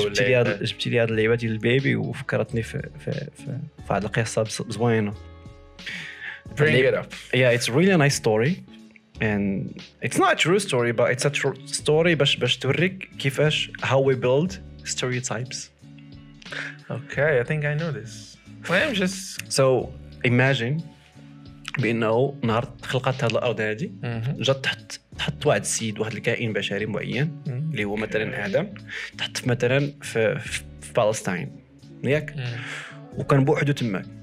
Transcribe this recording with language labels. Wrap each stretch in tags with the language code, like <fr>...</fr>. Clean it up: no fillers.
<ar>ولا جبتي لي هاد اللعبه ديال البيبي وفكرتني في هاد القصه زوينه</ar> <en>bring it up yeah it's really a nice story and it's not a true story but it's a true story</en> <ar>باش توريك كيفاش</ar> <en>how we build stereotypes Okay, I think I know this. Well, I'm just... So, imagine being now,</en> <ar>نهار تخلقت هاد الأرض هادي جات تحط واحد السيد واحد الكائن بشري معين اللي هو مثلا آدم تحط مثلا في فلسطين ياك وكان بوحدو تما</ar>